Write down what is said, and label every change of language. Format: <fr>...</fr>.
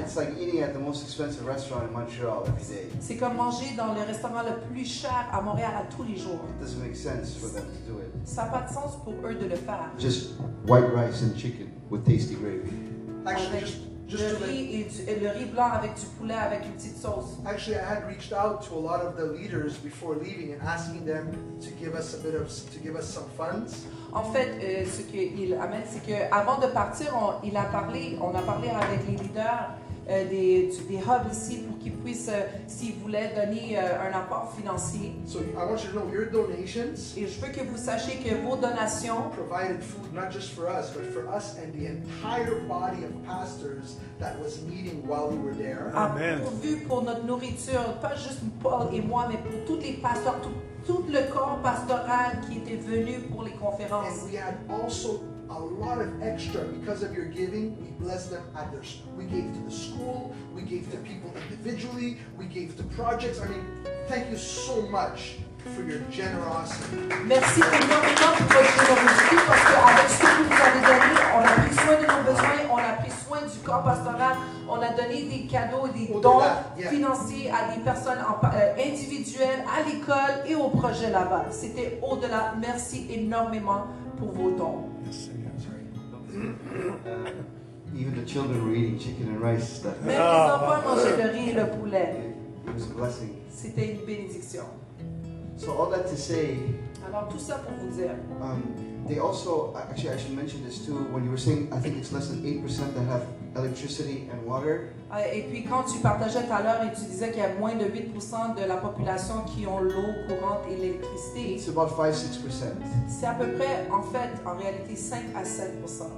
<en>It's like eating at the most expensive restaurant in Montreal every day.</en> <fr>C'est comme manger dans le restaurant le plus cher à Montréal tous les jours.</fr> <en>It doesn't make sense for them to do it.</en> <fr>Ça a pas de sens pour eux de le faire.</fr> <en>Just white rice and chicken with tasty gravy. Actually, I had reached out to a lot of the leaders before leaving and asking them to give us a bit of, to give us some funds.</en> <fr>En fait, ce qu'il amène, c'est que avant de partir, on a parlé avec les leaders des hubs ici pour qu'ils puissent, s'ils voulaient, donner un apport financier.</fr> <en>So I want you to know your donations.</en> <fr>Et je veux que vous sachiez que vos donations</fr> <en>provided food not just for us, but for us and the entire body of pastors that was meeting while we were there. Amen.</en> <fr>Pourvu pour notre nourriture, pas juste Paul et moi, mais pour tous les pasteurs, tout le corps pastoral qui était venu pour les conférences.</fr> <en>And we had also a lot of extra because of your giving. We blessed them at their school. We gave to the school. We gave to people individually. We gave to projects. I mean, thank you so much for your generosity.</en> <fr>Merci énormément pour votre générosité parce que avec ce que vous avez donné, on a pris soin de nos besoins, on a pris soin du corps pastoral, on a donné des cadeaux, des dons financiers à des personnes individuelles, à l'école et au projet là-bas. C'était au-delà. Merci énormément pour vos dons.</fr> <en>Even the children were eating chicken and rice stuff.</en> <fr>Même les enfants mangeaient le riz et le poulet.</fr> <en>It was a blessing.</en> <fr>C'était une bénédiction.</fr> <en>So all that to say.</en> <fr>Alors tout ça pour vous dire.</fr> <en>They also, actually, I should mention this too. When you were saying, I think it's less than 8% that have electricity and water.</en> <fr>Et puis quand tu partageais tout à l'heure et tu disais qu'il y a moins de 8% de la population qui ont l'eau courante et l'électricité.</fr> <en>It's about 5-6%.</en> <fr>C'est à peu près, en fait, en réalité, 5-7%.</fr>